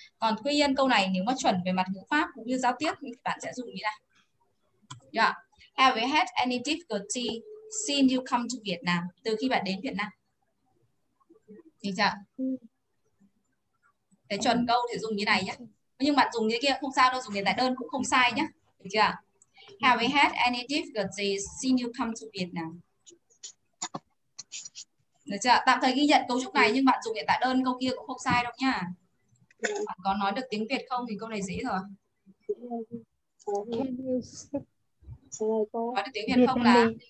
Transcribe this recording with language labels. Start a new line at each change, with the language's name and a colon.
Vietnamese: Còn tuy nhiên câu này nếu mà chuẩn về mặt ngữ pháp cũng như giao tiếp thì bạn sẽ dùng như này. Yeah.
English: Have you had any difficulty since you come to Vietnam?
Vietnamese: Từ khi bạn đến Việt Nam. Được chưa? Để chuẩn câu thì dùng như này nhé. Nhưng bạn dùng như kia không sao đâu, dùng như tại đơn cũng không sai nhé. Được chưa?
English: Have you had any difficulty since you come to Vietnam?
Vietnamese: Được chưa? Tạm thời ghi nhận cấu trúc này nhưng bạn dùng hiện tại đơn câu kia cũng không sai đâu nhá. Bạn có nói được tiếng Việt không thì câu này dễ rồi. Nói được tiếng Việt không là